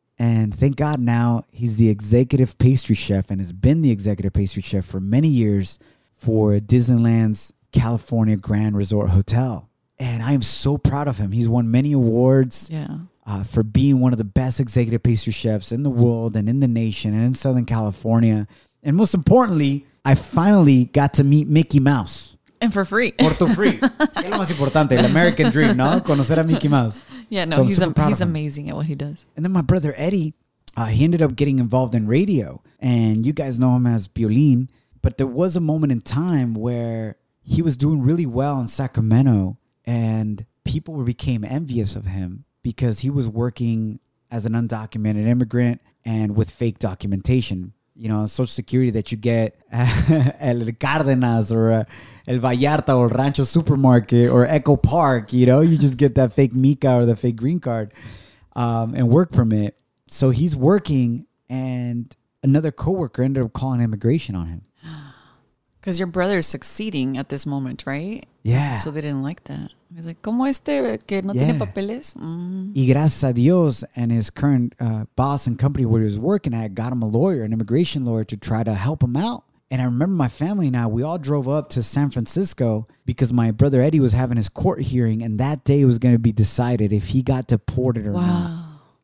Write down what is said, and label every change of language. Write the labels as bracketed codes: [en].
[en] And thank God now he's the executive pastry chef and has been the executive pastry chef for many years for Disneyland's California Grand Resort Hotel. And I am so proud of him. He's won many awards for being one of the best executive pastry chefs in the world and in the nation and in Southern California. And most importantly, I finally got to meet Mickey Mouse. And for free. [es] Por tu free. Es lo más importante, el American dream, ¿no? Conocer a Mickey Mouse. [en] Yeah, no, he's amazing at what he does. And then my brother Eddie, he ended up getting involved in radio. And you guys know him as Piolín. But there was a moment in time where he was doing really well in Sacramento. And people became envious of him because he was working as an undocumented immigrant and with fake documentation. You know, Social Security that you get El Cárdenas or El Vallarta or Rancho Supermarket or Echo Park, you know, you just get that fake Mica or the fake green card and work permit. So he's working and another coworker ended up calling immigration on him. Because your brother is succeeding at this moment, right? Yeah. So they didn't like that. He's like, [es] ¿cómo este que no tiene papeles? Y gracias a Dios [en] and his current boss and company where he was working at got him a lawyer, an immigration lawyer, to try to help him out. And I remember my family and I, we all drove up to San Francisco because my brother Eddie was having his court hearing and that day was going to be decided if he got deported or not.